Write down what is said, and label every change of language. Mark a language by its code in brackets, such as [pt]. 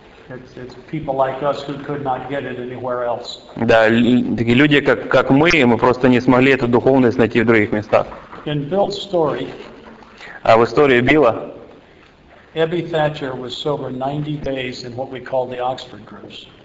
[en] It's people like us who could not get it anywhere else. [ru] Да, такие люди, как мы просто не смогли эту духовность найти в других местах. [en] In Bill's story. [ru] А в истории Билла. [en] Abby Thatcher was sober 90 days in what we call the Oxford groups.